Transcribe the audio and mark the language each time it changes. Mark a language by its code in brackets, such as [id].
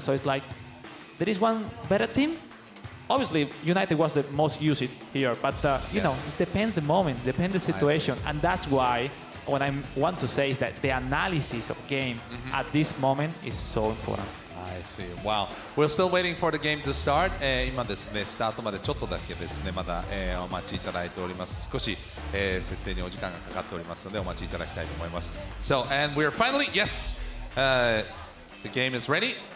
[en] So it's like, there is one better team? Obviously, United was the most used here. But, you know, it depends the moment, depends the situation. And that's why what I want to say is that the analysis of game mm-hmm. at this moment is so important. I see. Wow. We're still waiting for the game to start. [ja] 今ですね、スタートまでちょっとだけですね、まだ、お待ちいただいております。少し、設定にお時間がかかっておりますので、お待ちいただきたいと思います。 [en] So, and we're finally, yes!、the game is ready.